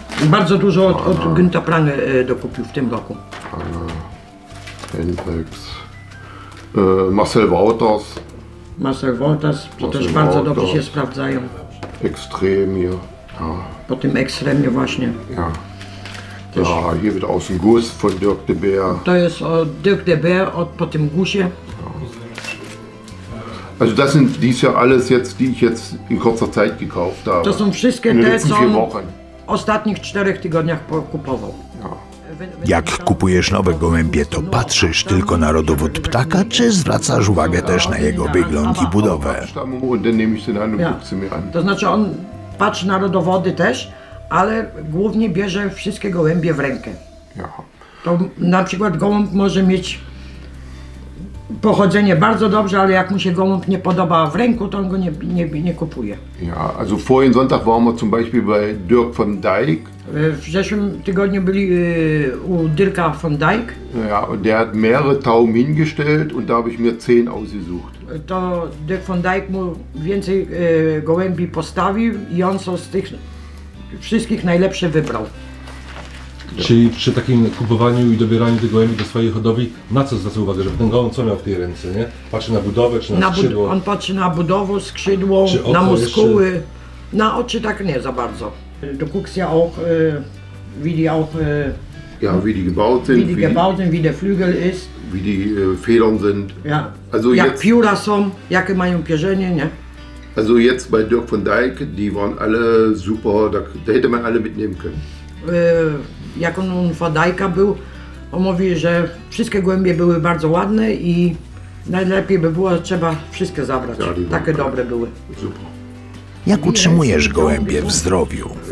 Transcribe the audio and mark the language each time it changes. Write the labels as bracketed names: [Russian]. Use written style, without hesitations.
[Polish] Bardzo dużo od Günter Pranger dokupił w tym roku. Hendrix. Marcel Wouters. Marcel Wouters, to też bardzo dobrze się sprawdzają. [German] Extremie. Ja. [Polish] Po tym Extremie właśnie. Ja. Też. [German] Ja, hier wieder aus dem Guss von Dirk de Beer. [Polish] To jest Dirk de Beer od po tym Gusie. [German] Also das sind dies ja alles jetzt, die ich jetzt in kurzer Zeit gekauft habe. [Polish] To są wszystkie te, co on ostatnich 4 tygodniach kupował. Jak kupujesz nowe gołębie, to patrzysz tylko na rodowód ptaka, czy zwracasz uwagę też na jego wygląd i budowę? [German] Ja. [Polish] To znaczy on patrzy na rodowody też, ale głównie bierze wszystkie gołębie w rękę. To na przykład gołąb może mieć pochodzenie bardzo dobrze, ale jak mu się gołąb nie podoba w ręku, to on go nie kupuje. [German] Ja, also vorigen Sonntag waren wir zum Beispiel bei Dirk van Dijk. [Polish] W zeszłym tygodniu byli u Dirka van Dijk. [German] Ja, und der hat mehrere Tauben hingestellt und da habe ich mir 10 ausgesucht. [Polish] To Dirk van Dijk mu więcej gołębi postawił i on co z tych wszystkich najlepsze wybrał. Czyli przy takim kupowaniu i dobieraniu tych gołębi do swojej hodowli, na co zwraca uwagę, żeby ten gołąb co miał w tej ręce, nie? Patrzy na budowę czy na skrzydło? On patrzy na budowę, skrzydło, na muskuły, jeszcze? Na oczy tak nie za bardzo. [German] Du guckst ja auch, wie die auch, ja, wie die gebaut sind, wie die gebaut sind, wie der Flügel ist, wie die Federn sind, ja. [Polish] Also jak jetzt, pióra są, jakie mają pierzenie, nie? [German] Also jetzt bei Dirk van Dijk, die waren alle super, da hätte man alle mitnehmen können. [Polish] Jak on Fadajka był, on mówi, że wszystkie gołębie były bardzo ładne i najlepiej by było, trzeba wszystkie zabrać. Takie dobre były. Super. Jak utrzymujesz gołębie w zdrowiu?